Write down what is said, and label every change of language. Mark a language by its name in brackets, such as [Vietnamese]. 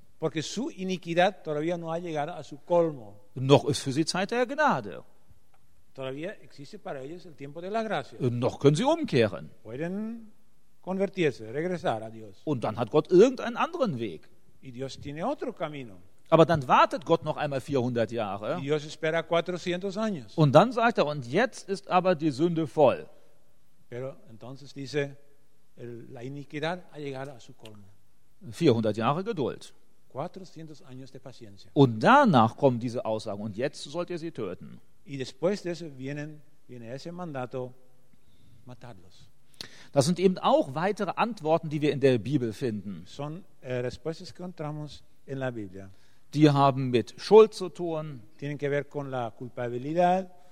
[Spanish] Porque su iniquidad todavía no ha llegado a su colmo. [German] Noch ist für sie Zeit der Gnade. [Spanish] Todavía existe para ellos el tiempo de la gracia. [German] Noch können sie umkehren. [Spanish] Pueden convertirse, regresar a Dios. [German] Und dann hat Gott irgendeinen anderen Weg. [Spanish] Y Dios tiene otro camino. [German] Aber dann wartet Gott noch einmal 400 Jahre. [Spanish] Dios espera 400 años. [German] Und dann sagt er, und jetzt ist aber die Sünde voll. [Spanish] Pero entonces dice, la iniquidad ha llegado a su colmo. [German] 400 Jahre Geduld. [Spanish] 400 años de paciencia. [German] Und danach kommen diese Aussagen, und jetzt sollt ihr sie töten. [Spanish] Y después de eso viene ese mandato, matarlos. [German] Das sind eben auch weitere Antworten, die wir in der Bibel finden. [Spanish] Son respuestas que encontramos en la Biblia. [German] Die haben mit Schuld zu tun, [Spanish] tienen que ver con la culpabilidad,